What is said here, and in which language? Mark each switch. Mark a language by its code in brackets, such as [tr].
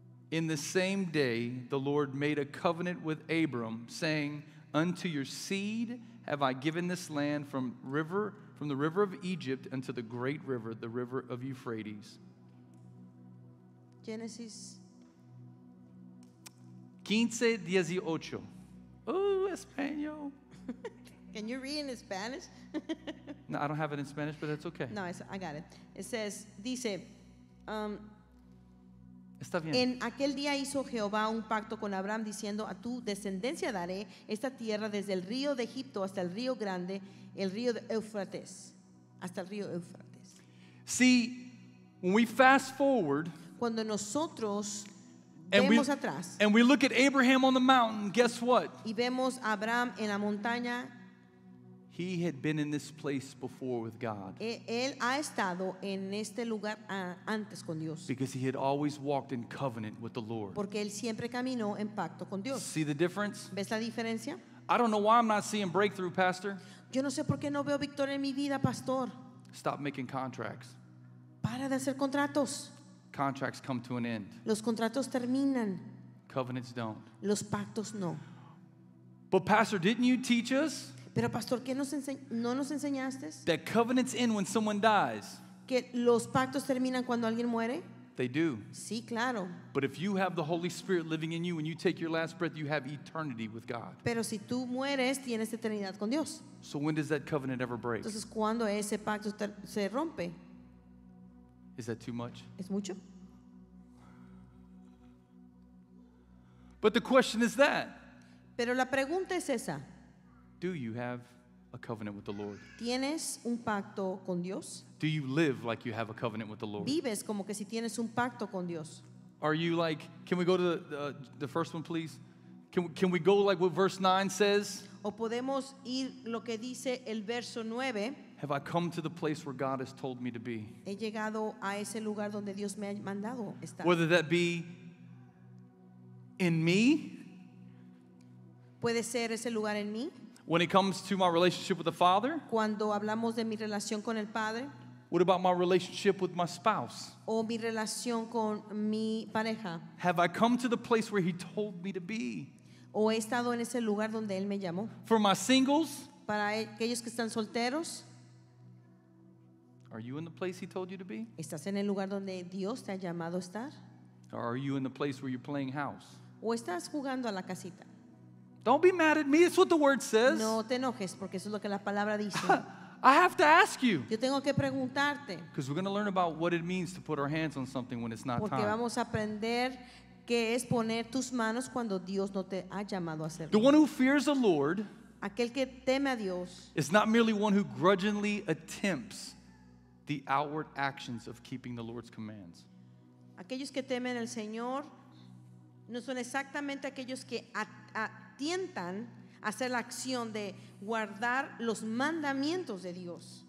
[en] In the same day, the Lord made a covenant with Abram, saying, unto your seed have I given this land from the river of Egypt unto the great river, the river of Euphrates. Genesis 15:18. Ooh, Espanol. Can you read in Spanish? No, I don't have it in Spanish, but that's okay. No, I got it. It says, dice, [es] está bien. En aquel día hizo Jehová un pacto con Abraham, diciendo, a tu descendencia daré esta tierra desde el río de Egipto hasta el río grande, el río de Eufrates. Hasta el río Eufrates. [en] See, when we fast forward, [es] cuando nosotros vemos atrás, [en] and we look at Abraham on the mountain, guess what? [es] Y vemos a Abraham en la montaña. [en] He had been in this place before with God. [es] Él ha estado en este lugar antes con Dios. [en] Because he had always walked in covenant with the Lord. [es] Porque él siempre caminó en pacto con Dios. [en] See the difference? [es] ¿Ves la diferencia? [en] I don't know why I'm not seeing breakthrough, Pastor. [es] Yo no sé por qué no veo victoria en mi vida, Pastor. [en] Stop making contracts. [es] Para de hacer contratos. [en] Contracts come to an end. [es] Los contratos terminan. [en] Covenants don't. [es] Los pactos no. [en] But Pastor, didn't you teach us? [es] Pero Pastor, ¿qué no nos enseñaste? [en] That covenants end when someone dies. [es] Que los pactos terminan cuando alguien muere. [en] They do. [es] Sí, claro. [en] But if you have the Holy Spirit living in you and you take your last breath, you have eternity with God. [es] Pero si tú mueres, tienes eternidad con Dios. [en] So when does that covenant ever break? [es] Entonces, ¿cuándo ese pacto se rompe? [en] Is that too much? [es] ¿Es mucho? [en] But the question is that. [es] Pero la pregunta es esa. [en] Do you have a covenant with the Lord? [es] ¿Tienes un pacto con Dios? [en] Do you live like you have a covenant with the Lord? [es] ¿Vives como que si tienes un pacto con Dios? [en] Are you like, can we go to the first one, please? Can we go like what verse 9 says? [es] ¿O podemos ir lo que dice el verso 9? [en] Have I come to the place where God has told me to be? [es] He llegado a ese lugar donde Dios me ha mandado estar. [en] Whether that be in me? [es] ¿Puede ser ese lugar en mí? [en] When it comes to my relationship with the Father? [es] Cuando hablamos de mi relación con el Padre? [en] What about my relationship with my spouse? [es] O mi relación con mi pareja? [en] Have I come to the place where he told me to be? [es] O he estado en ese lugar donde él me llamó? [en] For my singles? [es] Para aquellos que están solteros? [en] Are you in the place he told you to be? [es] ¿Estás en el lugar donde Dios te ha llamado a estar? [en] Or are you in the place where you're playing house? [es] ¿O estás jugando a la casita? [en] Don't be mad at me. It's what the word says. [es] No te enojes porque eso es lo que la palabra dice. [en] I have to ask you. [es] Yo tengo que preguntarte. [en] Because we're going to learn about what it means to put our hands on something when it's not [es] porque [en] time. [es] Porque vamos a aprender qué es poner tus manos cuando Dios no te ha llamado a hacerlo. [en] The one who fears the Lord. [es] Aquel que teme a Dios. [en] Is not merely one who grudgingly attempts the outward actions of keeping the Lord's commands. [es] Aquellos que temen al Señor no son exactamente aquellos que tientan a hacer la acción de guardar los mandamientos de Dios.